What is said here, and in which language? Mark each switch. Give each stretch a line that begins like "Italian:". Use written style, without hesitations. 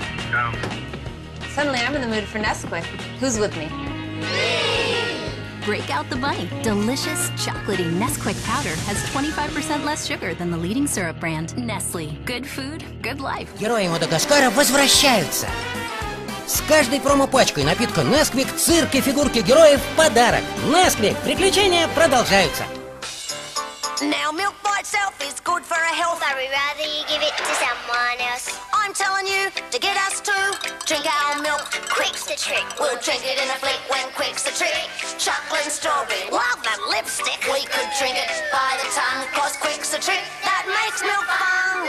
English: For Nesquik. Who's with me? Me! Break out the bunny. Delicious, chocolatey Nesquik powder has 25% less sugar than the leading syrup brand, Nestle. Good food, good life.
Russian: Герои Мадагаскара возвращаются. С каждой промо-пачкой напитка Nesquik цирк и фигурки героев в подарок. Nesquik. Приключения продолжаются.
English: Now milk by itself is good for a health. But we'd rather you give it to someone else. I'm telling you to get us to drink our milk. Quick's the trick. We'll drink it in a flick when quick's the trick. Chocolate and strawberry. Love that lipstick. We could drink it by the tongue. Cause quick's the trick that makes milk fun.